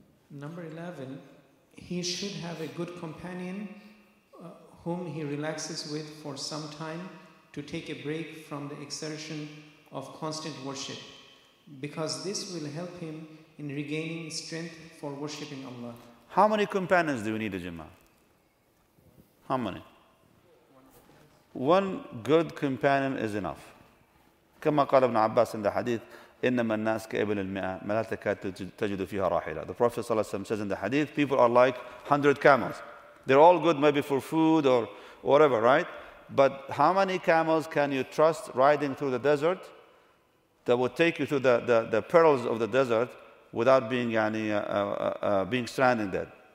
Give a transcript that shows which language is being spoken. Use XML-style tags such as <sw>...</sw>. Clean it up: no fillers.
<en>Number 11, he should have a good companion whom he relaxes with for some time to take a break from the exertion of constant worship, because this will help him in regaining strength for worshiping Allah. How many companions do you need, Jummah? How many? One good companion is enough.</en> <ar>كما قال ابن عباس</ar> <en>in the hadith,</en> <ar>إنما الناس كإبل المئة ما لا تكاد تجد فيها راحلة.</ar> <en>The Prophet صلى الله عليه وسلم says in the hadith, people are like 100 camels. They're all good maybe for food or whatever, right? But how many camels can you trust riding through the desert that will take you through the perils of the desert without being being stranded dead?</en>